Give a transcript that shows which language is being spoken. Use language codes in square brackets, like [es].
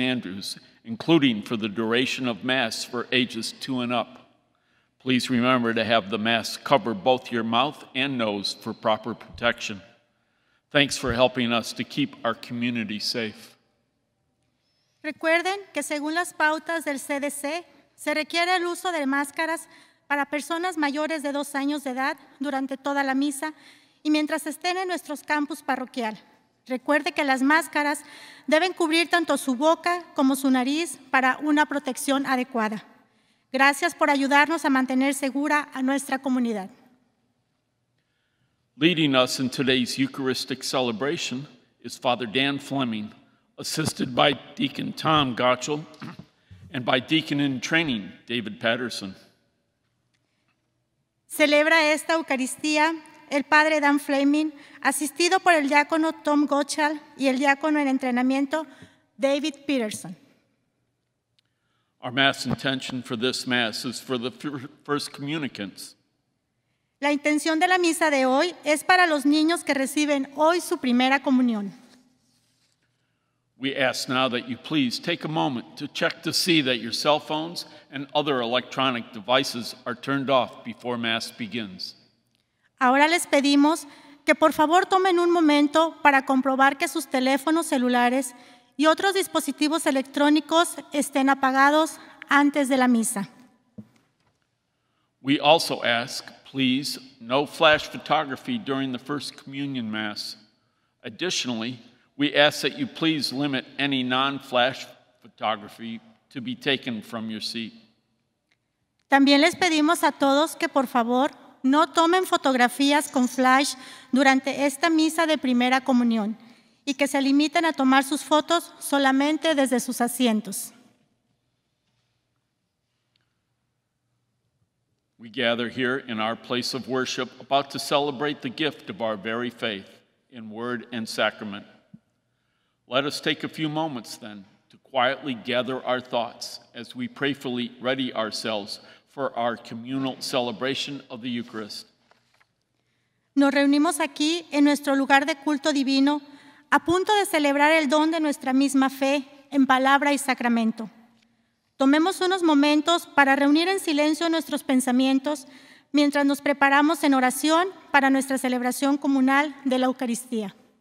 [en] Andrew's, including for the duration of Mass for ages 2 and up. Please remember to have the mask cover both your mouth and nose for proper protection. Thanks for helping us to keep our community safe. [es] Recuerden que según las pautas del CDC, se requiere el uso de máscaras para personas mayores de 2 años de edad durante toda la misa y mientras estén en nuestros campus parroquial. Recuerde que las máscaras deben cubrir tanto su boca como su nariz para una protección adecuada. Gracias por ayudarnos a mantener segura a nuestra comunidad. [en] Leading us in today's Eucharistic celebration is Father Dan Fleming, assisted by Deacon Tom Gotchel and by Deacon in Training, David Patterson. [es] Celebra esta Eucaristía el Padre Dan Fleming, asistido por el diácono Tom Gotchel y el diácono en entrenamiento David Patterson. [en] Our Mass intention for this Mass is for the first communicants. [es] La intención de la misa de hoy es para los niños que reciben hoy su primera comunión. [en] We ask now that you please take a moment to check to see that your cell phones and other electronic devices are turned off before Mass begins. [es] Ahora les pedimos que por favor tomen un momento para comprobar que sus teléfonos celulares y otros dispositivos electrónicos estén apagados antes de la misa. [en] We also ask, please, no flash photography during the First Communion Mass. Additionally, we ask that you please limit any non-flash photography to be taken from your seat. [es] También les pedimos a todos que por favor no tomen fotografías con flash durante esta misa de primera comunión y que se limiten a tomar sus fotos solamente desde sus asientos. [en] We gather here in our place of worship about to celebrate the gift of our very faith in word and sacrament. Let us take a few moments then to quietly gather our thoughts as we prayerfully ready ourselves for our communal celebration of the Eucharist. [es] Nos reunimos aquí en nuestro lugar de culto divino, a punto de celebrar el don de nuestra misma fe en palabra y sacramento. Tomemos unos momentos para reunir en silencio nuestros pensamientos mientras nos preparamos en oración para nuestra celebración comunal de la Eucaristía.